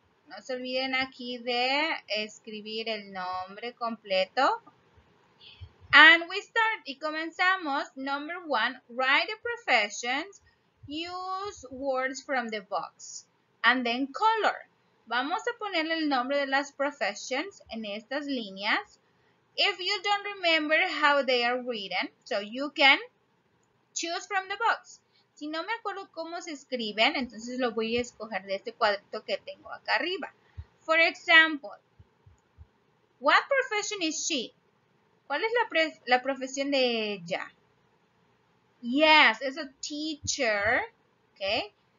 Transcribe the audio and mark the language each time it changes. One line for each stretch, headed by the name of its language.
Spanish: No se olviden aquí de escribir el nombre completo.
English: And we start.
Spanish: Y comenzamos.
English: Number one, write the professions. Use words from the box. And then color.
Spanish: Vamos a ponerle el nombre de las professions en estas líneas.
English: If you don't remember how they are written, so you can choose from the box.
Spanish: Si no me acuerdo cómo se escriben, entonces lo voy a escoger de este cuadrito que tengo acá arriba.
English: For example, what profession is she?
Spanish: ¿Cuál es la profesión de ella?
English: Yes, it's a teacher. Okay.